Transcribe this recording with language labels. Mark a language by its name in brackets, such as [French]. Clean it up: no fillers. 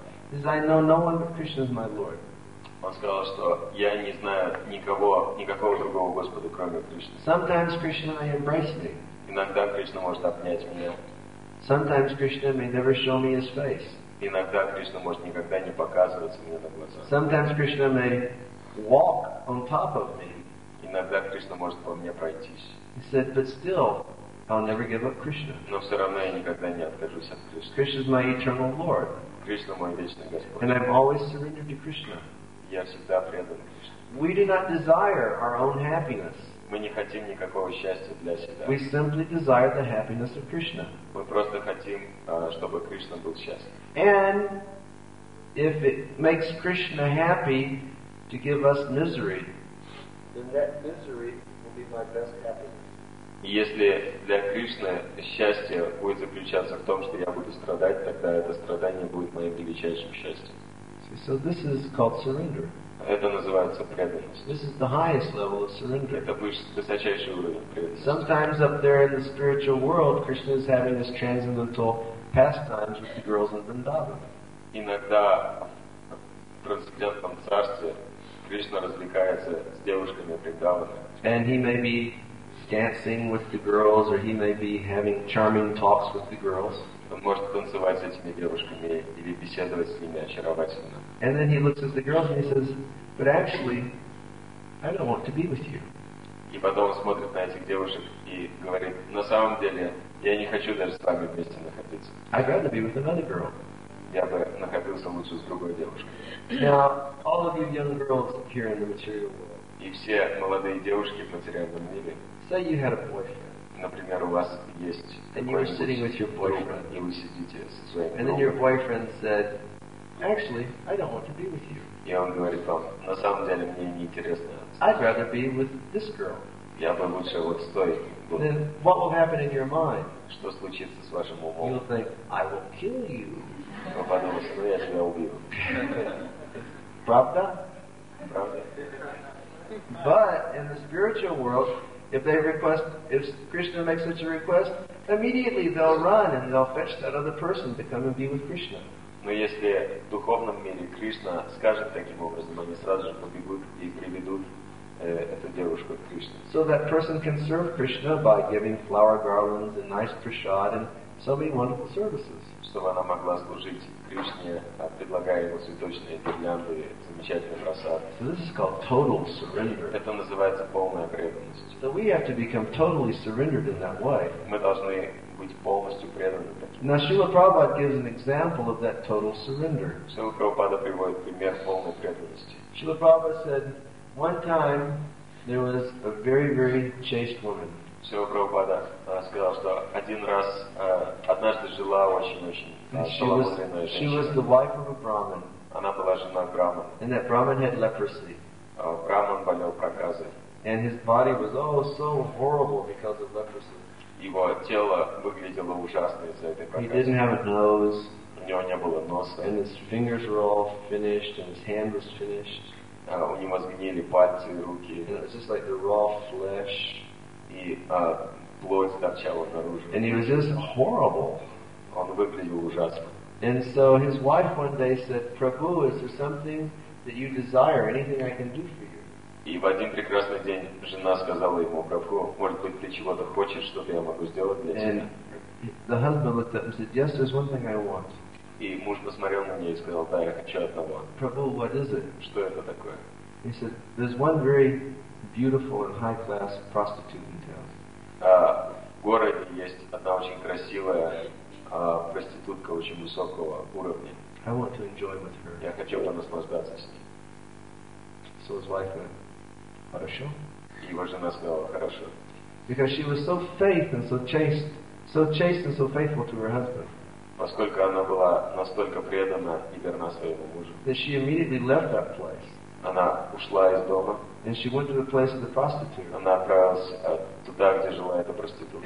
[English] Is I know no one but Krishna is my Lord. [Russian] Он сказал, что я не знаю никого, никакого другого Господа, кроме Кришны. [English] Sometimes Krishna may embrace me. [Russian] Иногда Кришна может обнять меня. [English] Sometimes Krishna may never show me his face. [Russian] Иногда Кришна может никогда не показываться мне на глаза. [English] Sometimes Krishna may walk on top of me. [Russian] Иногда Кришна может по мне пройтись. [English] He said, but still. I'll never give up Krishna. [Russian] Но все равно я никогда не откажусь от Кришны. [English] Krishna is my eternal Lord. [Russian] Кришна мой вечный Господь. [English] And I've always surrendered to Krishna. [Russian] Я всегда предан Кришне. [English] We do not desire our own happiness. [Russian] Мы не хотим никакого счастья для себя. [English] We simply desire the happiness of Krishna. [Russian] Мы просто хотим, чтобы Кришна был счастлив. [English] And if it makes Krishna happy to give us misery, then that misery will be my best happiness. [Russian] Если для Кришны счастье будет заключаться в том, что я буду страдать, тогда это страдание будет моим величайшим счастьем. [English] So this is called surrender. [Russian] Это называется преданность. [English] This is the highest level of surrender. [Russian] Это высочайший уровень преданности. [English] Sometimes up there in the spiritual world, Krishna is having his transcendental pastimes with the girls in Vrindavan. [Russian] Иногда в трансцендентном царстве Кришна развлекается с девушками Вриндавана. [English] And he may be dancing with the girls, or he may be having charming talks with the girls. [Russian] Он может танцевать с этими девушками или беседовать с ними очаровательно. [English] And then he looks at the girls and he says, "But actually, I don't want to be with you." [Russian] И потом он смотрит на этих девушек и говорит: "На самом деле, я не хочу даже с вами вместе находиться." [English] I'd rather be with another girl. [Russian] Я бы находился лучше с другой девушкой. [English] Now, all of you young girls here in the material world. [Russian] И все молодые девушки в материальном мире. [English] Say you had a boyfriend. [Russian] Например, у вас есть. [English] And you were sitting with your boyfriend. [Russian] И вы сидите со своим. [English] And then your boyfriend said, "Actually, I don't want to be with you." [Russian] И он говорит вам: "На самом деле мне не интересно." [English] I'd rather be with this girl. [Russian] Я бы лучше вот с той. [English] Then what will happen in your mind? [Russian] Что случится с вашим умом? [English] You'll think, "I will kill you." [Russian] Вы подумаете: "Ну я тебя убью." Правда? Правда. [English] But in the spiritual world. If Krishna makes such a request, immediately they'll run and they'll fetch that other person to come and be with Krishna. [Russian] Но если в духовном мире Кришна скажет таким образом, они сразу же побегут и приведут эту девушку к Кришне. [English] So that person can serve Krishna by giving flower garlands and nice prasad and so many wonderful services. [Russian] Чтобы она могла служить Кришне, предлагая ему цветочные гирлянды, замечательный просад. [English] So this is called total surrender. [Russian] Это называется полная преданность. [English] So we have to become totally surrendered in that way. [Russian] Мы должны быть полностью преданы. [English] Now Srila Prabhupada gives an example of that total surrender. [Russian] Srila Prabhupada приводит пример полной преданности. [English] Srila Prabhupada said, one time there was a very, very chaste woman. [Russian] Srila Prabhupada сказал, что один раз, однажды жила очень-очень целомудренная женщина. [English] She was the wife of a Brahmin. [Russian] Она была жена Брахмана. [English] And that Brahmin had leprosy. [Russian] Брахман болел проказой. [English] And his body was so horrible because of leprosy. [Russian] Его тело выглядело ужасно из-за этой проказы. [English] He didn't have a nose. [Russian] У него не было носа. [English] And his fingers were all finished, and his hand was finished. [Russian] У него сгнили пальцы и руки. [English] And it was just like the raw flesh. [Russian] И плоть торчала наружу. [English] And he was just horrible. [Russian] Он выглядел ужасно. [English] And so his wife one day said, "Prabhu, is there something that you desire? Anything I can do for you?" [Russian] И в один прекрасный день жена сказала ему: "Прабху, может быть, ты чего-то хочешь, что я могу сделать для тебя?" [English] And the husband looked up and said, "Yes, there's one thing I want." [Russian] И муж посмотрел на нее и сказал: "Да, я хочу одного." [English] "Prabhu, what is it?" [Russian] Что это такое? [English] He said, "There's one very beautiful and high-class prostitute in town." [Russian] В городе есть одна очень красивая проститутка очень высокого уровня. [English] I want to enjoy with her. [Russian] Я хочу понаслаждаться с ней. [English] So his wife went, [Russian] "Хорошо." И его жена сказала: "Хорошо." [English] Because she was so faithful and so chaste and so faithful to her husband. [Russian] Поскольку она была настолько предана и верна своему мужу. [English] That she immediately left that place. [Russian] Она ушла из дома. [English] And she went to the place of the prostitute. [Russian] Она отправилась туда, где жила эта проститутка.